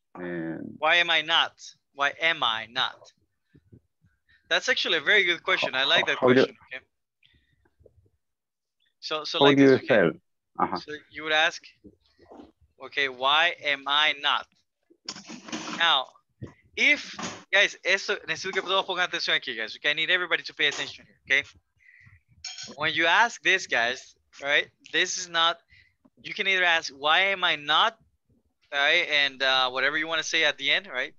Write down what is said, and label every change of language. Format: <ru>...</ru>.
<en>Why am I not? Why am I not? That's actually a very good question. I like that question. Okay. So like you this, okay. Uh-huh. So you would ask, okay, why am I not? Now, if...</en> <es>Guys, eso, necesito que todos pongan atención aquí, guys.</es> <en>Okay, I need everybody to pay attention here, okay? When you ask this, guys, all right, this is not, you can either ask, why am I not, all right, and whatever you want to say at the end, right?</en>